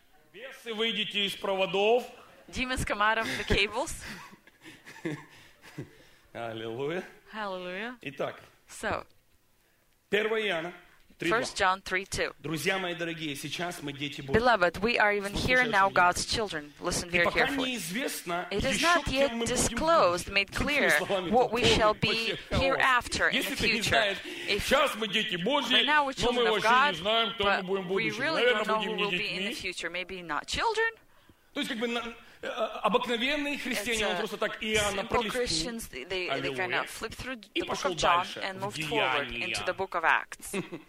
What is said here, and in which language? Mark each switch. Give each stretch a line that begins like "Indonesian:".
Russian: Бесы, выйдите из проводов.
English: Demons come out of the cables.
Russian: Аллилуйя. Аллилуйя. Итак.
English: So.
Russian: 1 Иоанна.
English: 1 John 3:2.
Russian: Друзья мои дорогие, сейчас мы дети Божьи.
English: Beloved, we are even here now God's children. Listen very carefully. It is not yet disclosed, made clear what we shall be hereafter in the future.
Russian: Сейчас мы дети Божьи, но мы вообще не знаем, кто мы будем в будущем.
English: We really don't know who will be in the future. Maybe not children.
Russian: То есть как бы обыкновенные христиане, он просто так Иоанна пролистнул. И пошел дальше.
English: And moved forward into the book of Acts.